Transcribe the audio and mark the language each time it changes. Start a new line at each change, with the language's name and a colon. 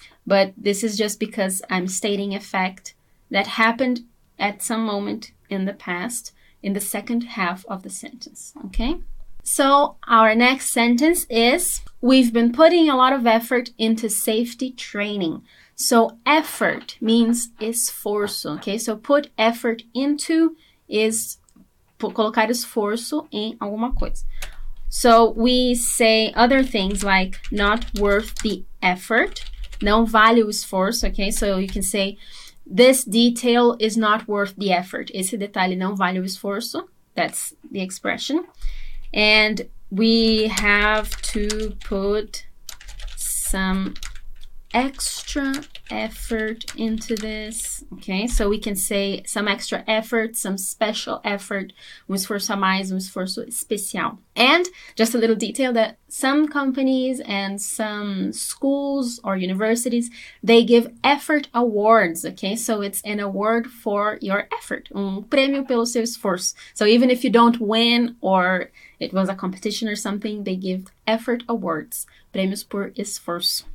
English: But this is just because I'm stating a fact that happened at some moment in the past, in the second half of the sentence, okay? So our next sentence is, we've been putting a lot of effort into safety training. So effort means esforço, okay? So put effort into is
Portuguese: colocar esforço em alguma coisa.
English: So we say other things like not worth the effort,
Portuguese: não vale o esforço,
English: okay? So you can say this detail is not worth the effort.
Portuguese: Esse detalhe não vale o esforço.
English: That's the expression. And we have to put some extra effort into this. Okay, so we can say some extra effort, some special effort,
Portuguese: um esforço a mais, um esforço especial.
English: And just a little detail that some companies and some schools or universities, they give effort awards, okay? So it's an award for your effort,
Portuguese: um prêmio pelo seu esforço.
English: So even if you don't win or it was a competition or something, they give effort awards,
Portuguese: prêmios por esforço.